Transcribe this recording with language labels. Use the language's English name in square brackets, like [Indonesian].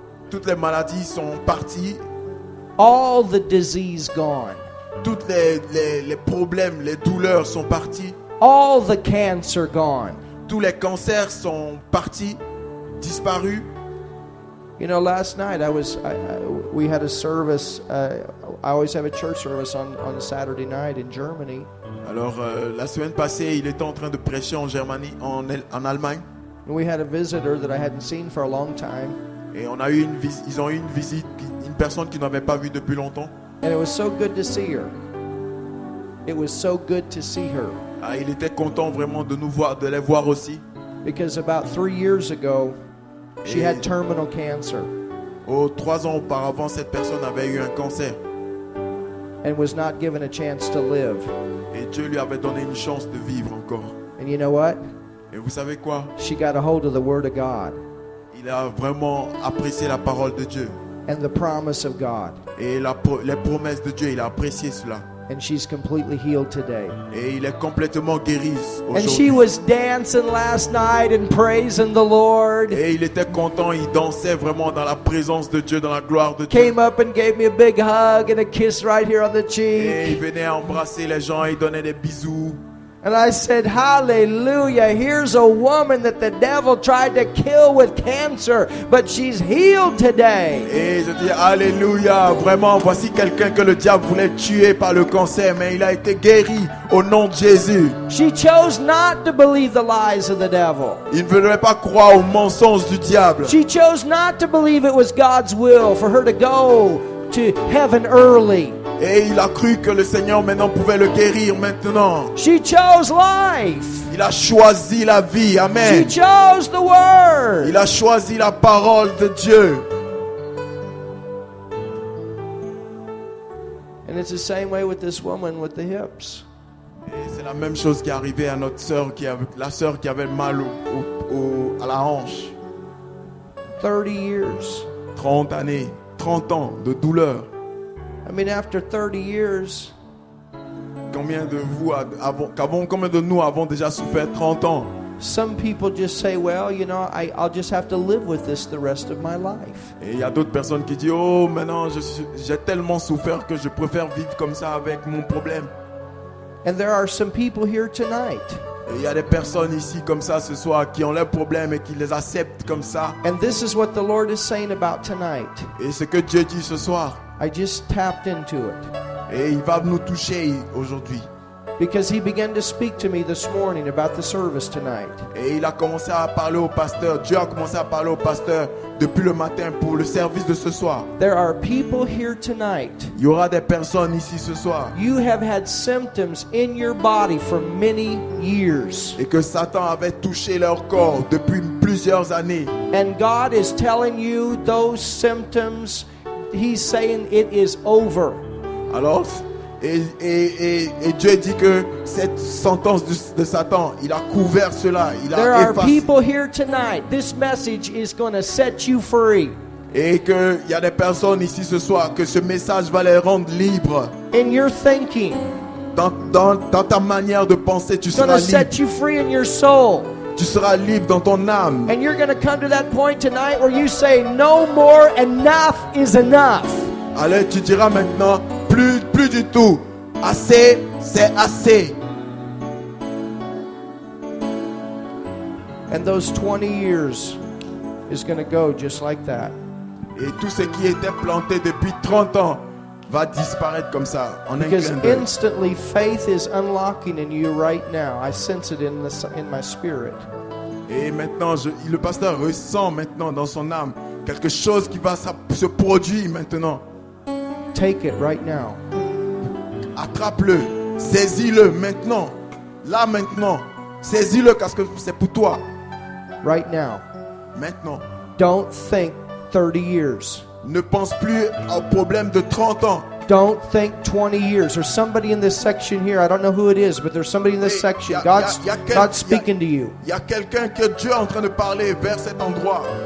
[French] Toutes les maladies sont parties. [English] All the disease gone. [French] Toutes les problèmes, les douleurs sont partis. [English] All the cancer gone. [French] Tous les cancers sont partis, disparus. [English] You know, last night we had a service. I always have a church service on Saturday night in Germany. [French] Alors la semaine passée, il était en train de prêcher en Germanie, en Allemagne. [English] We had a visitor that I hadn't seen for a long time. [French] Et on a eu une visite, une personne qu'ils n'avaient pas vue depuis longtemps. [English] And it was so good to see her. It was so good to see her. [French] Ah, il était content vraiment de nous voir, de les voir aussi. [English] Because about 3 years ago, she had terminal cancer. [French] Oh, 3 ans auparavant, cette personne avait eu un cancer. [English] And was not given a chance to live. [French] Et Dieu lui avait donné une chance de vivre encore. [English] And you know what? [French] Et vous savez quoi? [English] She got a hold of the word of God. [French] Il a vraiment apprécié la parole de Dieu. [English] And the promise of God. [French] Et les promesses de Dieu, il a apprécié cela. [English] And she's completely healed today. [French] Et il est complètement guéri aujourd'hui. [English] And she was dancing last night and praising the Lord. [French] Et il était content, il dansait vraiment dans la présence de Dieu, dans la gloire de Dieu. [English] Came up and gave me a big hug and a kiss right here on the cheek. [French] Et il venait embrasser les gens, il donnait des bisous. [English] And I said, hallelujah, here's a woman that the devil tried to kill with cancer, but she's healed today. [French] Et je dis, hallelujah, vraiment, voici quelqu'un que le diable voulait tuer par le cancer, mais il a été guéri au nom de Jésus. [English] She chose not to believe the lies of the devil. [French] Il ne voulait pas croire aux mensonges du diable. [English] She chose not to believe it was God's will for her to go to heaven early. [French] Et il a cru que le Seigneur maintenant pouvait le guérir maintenant. [English] She chose life. [French] Il a choisi la vie. Amen. [English] She chose the word. [French] Il a choisi la parole de Dieu. [English] And it's the same way with this woman with the hips. [French] Et c'est la même chose qui est arrivée à notre sœur qui avait mal à la hanche. [English] 30 years. [French] 30 années. 30 ans de douleur. [English] I mean, after 30 years. [French] Combien de nous avons déjà souffert 30 ans? [English] Some people just say, well, you know, I'll just have to live with this the rest of my life. [French] Et il y a d'autres personnes qui disent, oh, maintenant, j'ai tellement souffert que je préfère vivre comme ça avec mon problème. [English] And there are some people here tonight. [French] Et il y a des personnes ici comme ça ce soir qui ont leurs problèmes et qui les acceptent comme ça. [English] And this is what the Lord is saying about tonight. [French] Et ce que Dieu dit ce soir. [English] I just tapped into it. [French] Et il va nous toucher aujourd'hui. [English] Because he began to speak to me this morning about the service tonight. [French] Et il a commencé à parler au pasteur. Dieu a commencé à parler au pasteur depuis le matin pour le service de ce soir. [English] There are people here tonight. [French] Il y aura des personnes ici ce soir. [English] You have had symptoms in your body for many years. [French] Et que Satan avait touché leur corps depuis plusieurs années. [English] And God is telling you those symptoms. He's saying it is over. [French] Alors, et Dieu dit que cette sentence de Satan, il a couvert cela, il a effacé. [English] There are people here tonight. This message is going to set you free. [French] Et que il y a des personnes ici ce soir que ce message va les rendre libres. [English] In your thinking. [French] Dans ta manière de penser, tu seras libre. [English] Going to set you free in your soul. [French] Tu seras libre dans ton âme. [English] And you're going to come to that point tonight where you say, no more, enough is enough. [French] Allez, tu diras maintenant, plus du tout. Assez, c'est assez. [English] And those 20 years is going to go just like that. [French] Et tout ce qui était planté depuis 30 ans va disparaître comme ça. En [English] because instantly faith is unlocking in you right now. I sense it in my spirit. [French] Et maintenant, le pasteur ressent maintenant dans son âme quelque chose qui va se produire maintenant. [English] Take it right now. [French] Attrape-le. Saisis-le maintenant. Là maintenant. Saisis-le parce que c'est pour toi. [English] Right now. [French] Maintenant. [English] Don't think 30 years. [French] Ne pense plus au problème de 30 ans. [English] Don't think 20 years. There's somebody in this section here. I don't know who it is, but there's somebody in this section. God's speaking to you. [French] Il y a quelqu'un que Dieu est en train de parler vers cet endroit.